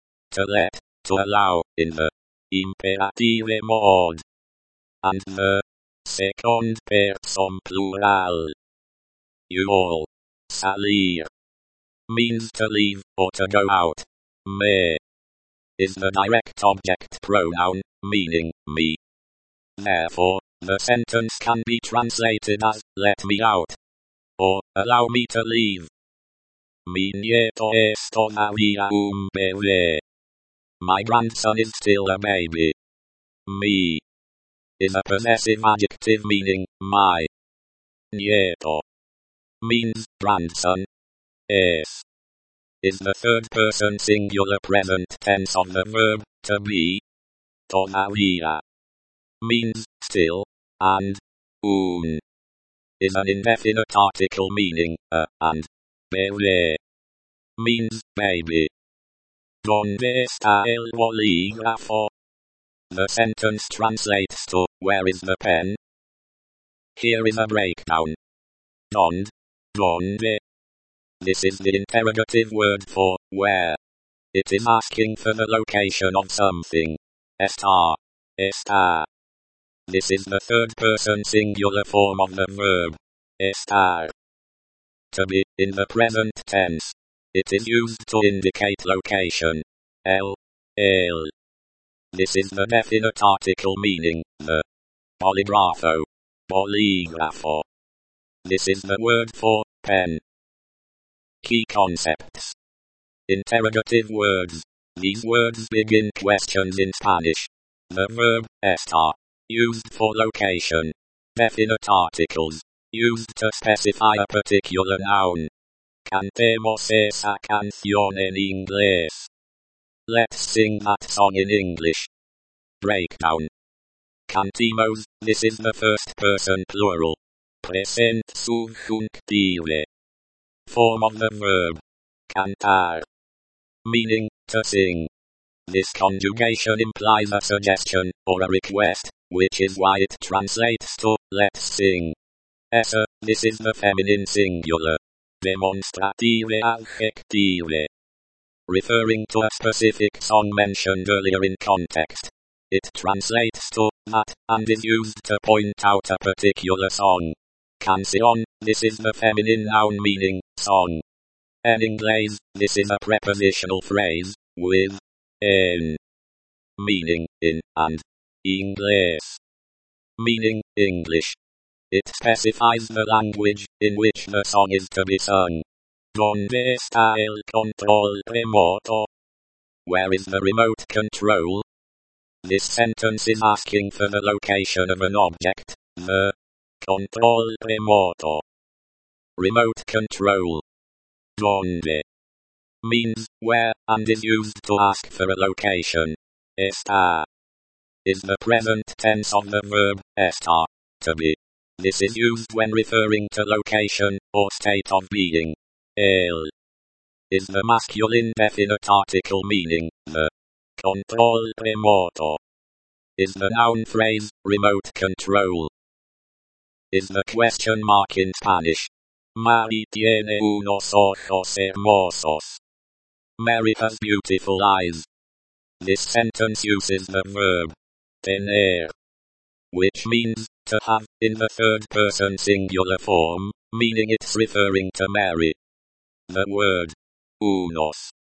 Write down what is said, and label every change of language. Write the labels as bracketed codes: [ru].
[en] to let, to allow, in the imperative mode, and the second person plural, you all, salir, means to leave or to go out. [es] Me [en] is the direct object pronoun, meaning me. Therefore, the sentence can be translated as, let me out, or, allow me to leave. [es] Mi nieto es todavía un bebé. [en] My grandson is still a baby. [es] Mi [en] is a possessive adjective meaning, my. [es] Nieto [en] means, grandson. [es] Es [en] is the third person singular present tense of the verb, to be. [es] Todavía [en] means, still, and [es] un [en] is an indefinite article meaning a, and [es] bebé [en] means baby. [es] ¿Dónde está el bolígrafo? [en] The sentence translates to, where is the pen? Here is a breakdown. [es] ¿Dónde? ¿Dónde? [en] This is the interrogative word for, where. It is asking for the location of something. [es] ¿Está? ¿Está? [en] This is the third person singular form of the verb. [es] Estar. [en] To be, in the present tense. It is used to indicate location. [es] El. [en] This is the definite article meaning, the. [es] Bolígrafo. [en] Bolígrafo. This is the word for, pen. Key concepts. Interrogative words. These words begin questions in Spanish. The verb, estar. Used for location. Definite articles. Used to specify a particular noun. [es] Cantemos esa canción en inglés. [en] Let's sing that song in English. Breakdown. Cantemos, this is the first person plural. Present subjunctive. Form of the verb. [es] Cantar. [en] Meaning, to sing. This conjugation implies a suggestion, or a request, which is why it translates to, let's sing. Esa, this is the feminine singular. Demonstrative adjective. Referring to a specific song mentioned earlier in context. It translates to, that, and is used to point out a particular song. Canción, this is the feminine noun meaning, song. En inglés, this is a prepositional phrase, with, [es] en, [en] meaning, in, and, [es] inglés, [en] meaning, English. It specifies the language in which the song is to be sung. [es] ¿Dónde está el control remoto? [en] Where is the remote control? This sentence is asking for the location of an object, the [es] control remoto. [en] Remote control. [es] ¿Dónde? [en] Means where, and is used to ask for a location. [es] Está [en] is the present tense of the verb, estar, to be. This is used when referring to location, or state of being. [es] El [en] is the masculine definite article meaning, the [es] control remoto [en] is the noun phrase, remote control. Is the question mark in Spanish. [es] Mary tiene unos ojos hermosos. [en] Mary has beautiful eyes. This sentence uses the verb [es] tener, [en] which means, to have, in the third person singular form, meaning it's referring to Mary. The word [es] unos